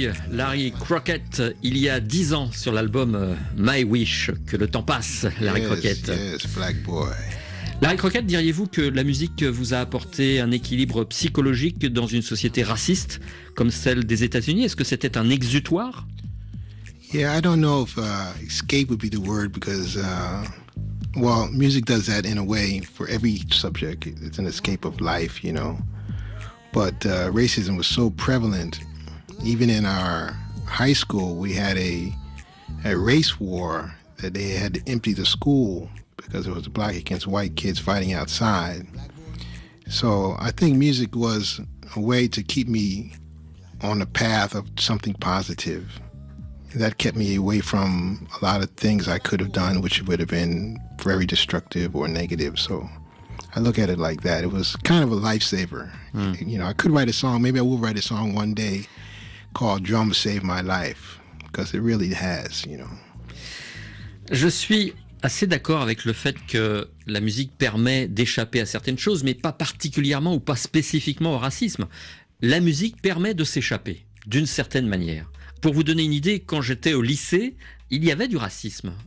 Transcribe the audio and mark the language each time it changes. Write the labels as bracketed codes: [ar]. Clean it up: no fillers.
[fr] Larry Crockett, il y a 10 ans sur l'album My Wish, que le temps passe, Larry Crockett. [en] Yes, black boy. [fr] Larry Crockett, diriez-vous que la musique vous a apporté un équilibre psychologique dans une société raciste comme celle des États-Unis? Est-ce que c'était un exutoire? [en] Yeah, I don't know if escape would be the word because, well, music does that in a way for every subject. It's an escape of life, you know. But racism was so prevalent. Even in our high school, we had a race war that they had to empty the school because it was black against white kids fighting outside. So I think music was a way to keep me on the path of something positive. That kept me away from a lot of things I could have done, which would have been very destructive or negative. So I look at it like that. It was kind of a lifesaver. Mm. You know, I could write a song. Maybe I will write a song one day. Called Drum Save My Life, because it really has, you know. [fr] Je suis assez d'accord avec le fait que la musique permet d'échapper à certaines choses, mais pas particulièrement ou pas spécifiquement au racisme. La musique permet de s'échapper, d'une certaine manière. Pour vous donner une idée, quand j'étais au lycée, il y avait du racisme.